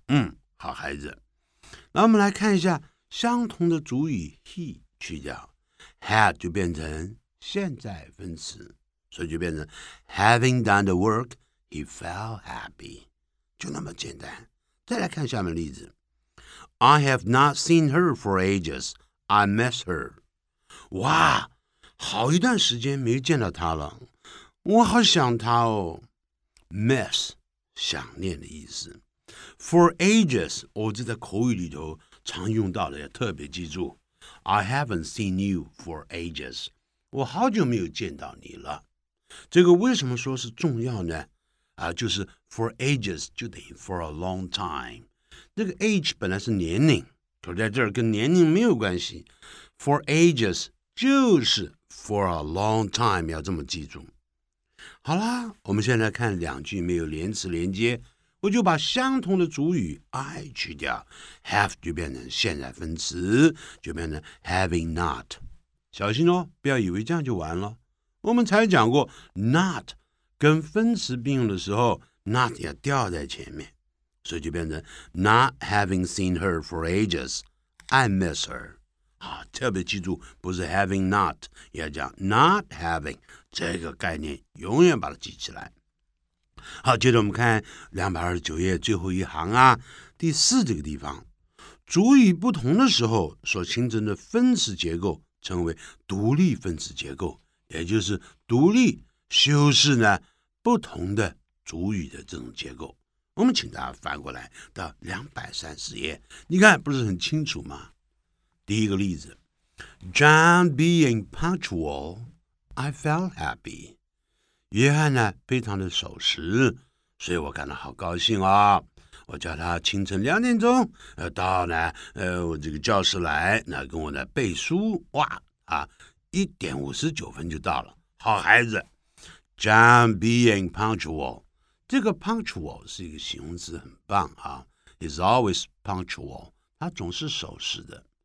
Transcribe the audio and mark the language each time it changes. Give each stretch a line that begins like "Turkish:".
Chinese: 嗯，好孩子。那我们来看一下相同的主语 he 去掉 ，had 就变成现在分词，所以就变成
English: having done the work, he felt happy，
Chinese: 就那么简单。再来看下面例子。
English: I have not seen her for ages. I miss her.
Chinese: 哇，好一段时间没见到她了，我好想她哦。 Miss， 想念的意思。For ages， 我这在口语里头常用到的，要特别记住。
English: I haven't seen you for ages.
Chinese: 我好久没有见到你了。这个为什么说是重要呢？啊，就是 for ages 就等于 for a long time。这个 age 本来是年龄，可在这儿跟年龄没有关系， for ages 就是 for a long time， 要这么记住。好啦，我们现在看两句没有连词连接，我就把相同的主语 I 去掉， have 就变成现在分词，就变成 having not。 小心哦，不要以为这样就完了，我们才讲过 not 跟分词并用的时候 not 要掉在前面，所以就变成
English: not having seen her for ages, I miss her.
Chinese: 特别记住，不是 having not, 要讲 not having, 这个概念永远把它记起来。好，接着我们看229页最后一行啊，第四这个地方，主语不同的时候所形成的分词结构称为独立分词结构，也就是独立修饰呢不同的主语的这种结构。我们请大家翻过来到230页，你看不是很清楚吗？第一个例子，
English: John being punctual, I felt happy.
Chinese: 约翰呢非常的守时，所以我感到好高兴啊、哦、我叫他清晨2点钟到呢我这个教室来，那跟我呢背书，哇啊1点59分就到了，好孩子。
English: John being punctual,
Chinese: 这个 punctual 是一个形容词，很棒啊，
English: is always punctual,
Chinese: 他总是守时的。